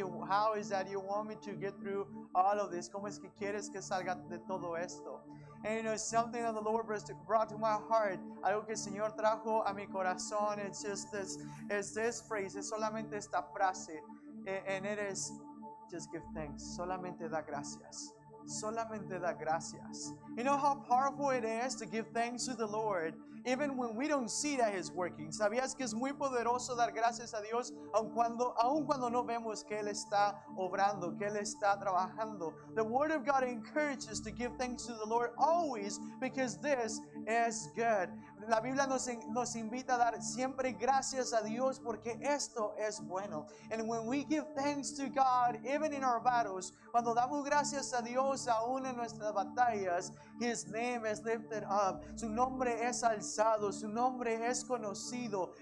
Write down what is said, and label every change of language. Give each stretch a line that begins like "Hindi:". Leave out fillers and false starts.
English: How is that you want me to get through all of this?
Spanish: ¿Cómo es que quieres que salga de todo esto?
English: And it's something that the Lord brought to my heart.
Spanish: Algo que el Señor trajo a mi corazón.
English: It's just this, it's this phrase.
Spanish: Es solamente esta frase.
English: And it is, just give thanks.
Spanish: Solamente da gracias. Solamente da gracias.
English: You know how powerful it is to give thanks to the Lord, even when we don't see that He's working.
Spanish: ¿Sabías que es muy poderoso dar gracias a Dios aun cuando no vemos que Él está obrando, que Él está trabajando?
English: The Word of God encourages to give thanks to the Lord always, because this is good.
Spanish: La Biblia nos invita a dar siempre gracias a Dios porque esto es bueno.
English: And when we give thanks to God, even in our battles,
Spanish: cuando damos gracias a Dios aún en nuestras batallas,
English: His name is lifted up.
Spanish: Su nombre es alzado. Su nombre es conocido.